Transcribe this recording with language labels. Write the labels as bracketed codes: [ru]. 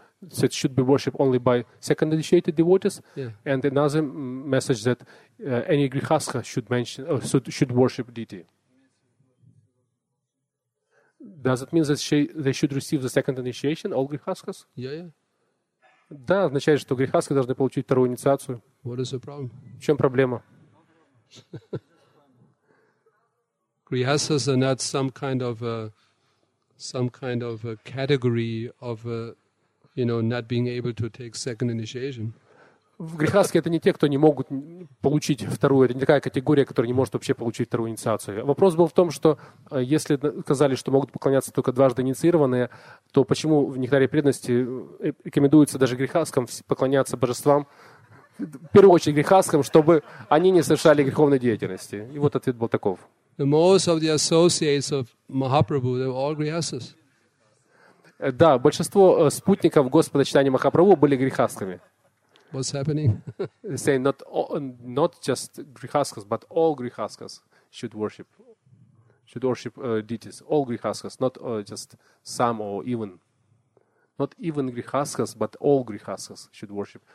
[en] So it should be worshipped only by second initiated devotees. Yeah. And another message that any grihastha should mention or should worship deity. Does it mean that they should receive the second initiation, all grihasthas? Yeah. [ru] Да, означает, что грихасха должны получить вторую инициацию. [en] What is the problem? [ru] В чем проблема? [en] Grihasthas are not some kind of a category of you know, not being able to take second initiation. [ru] В грихасхе это не те, кто не могут получить вторую, это не такая категория, которая не может вообще получить вторую инициацию. Вопрос был в том, что если сказали, что могут поклоняться только дважды инициированные, то почему в Нектаре преданности рекомендуется даже грихасхам поклоняться божествам, в первую очередь грихасхам, чтобы они не совершали греховной деятельности? И вот ответ был таков. [en] The most of the associates of Mahaprabhu, they were all grihasthas. [ru] Да, большинство спутников Господа Чайтаньи Махапрабху были грихасхами. [en] What's happening? They say not just grihasthas, but all grihasthas should worship deities. All grihasthas, not just some or even. Not even grihasthas, but all grihasthas should worship.